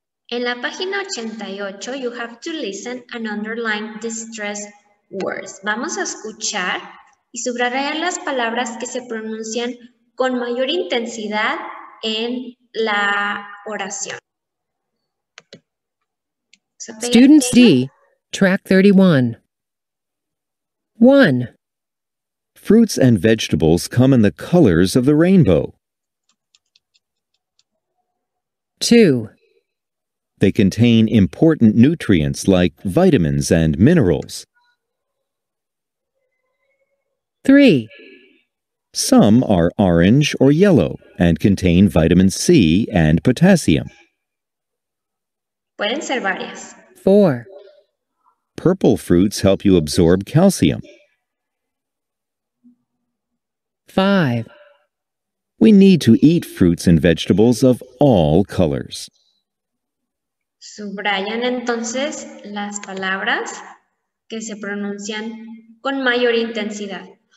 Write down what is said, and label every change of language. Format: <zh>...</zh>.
<es>En la página 88,</es> <en>you have to listen and underline distress words.</en> <es>Vamos a escuchar y subrayar las palabras que se pronuncian con mayor intensidad en la oración.</es> <en>Students D, track 31. 1. Fruits and vegetables come in the colors of the rainbow. 2. They contain important nutrients like vitamins and minerals. 3. Some are orange or yellow and contain vitamin C and potassium.</en> <es>Pueden ser varias.</es> <en>4. Purple fruits help you absorb calcium. 5. We need to eat fruits and vegetables of all colors.</en> <es>Subrayan entonces las palabras que se pronuncian con mayor intensidad.</es>